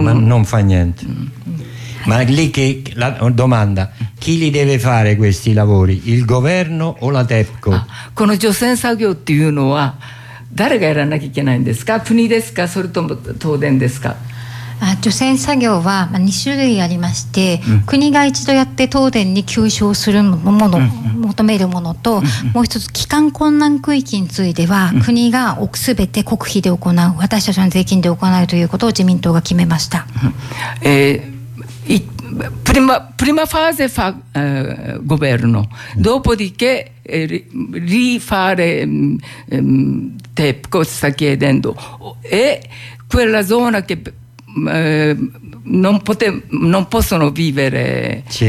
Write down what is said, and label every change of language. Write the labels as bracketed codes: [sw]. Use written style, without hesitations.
[it] non fa niente. Ma lì che la domanda, Chi li deve fare questi lavori? Il governo o la TEPCO? [ja] この除染作業っていうのは誰がやらなきゃいけないんですか？国ですか？それとも東電ですか？除染作業は2種類ありまして、うん、国が一度やって東電に求償するもの、うんうん、求めるものと、うんうん、もう一つ帰還困難区域については、うん、国がすべて国費で行う、私たちの税金で行うということを自民党が決めました、 [it] うん、prima fase fa governo dopodiché rifare TEPCO sta chiedendo e quella zona che non possono vivere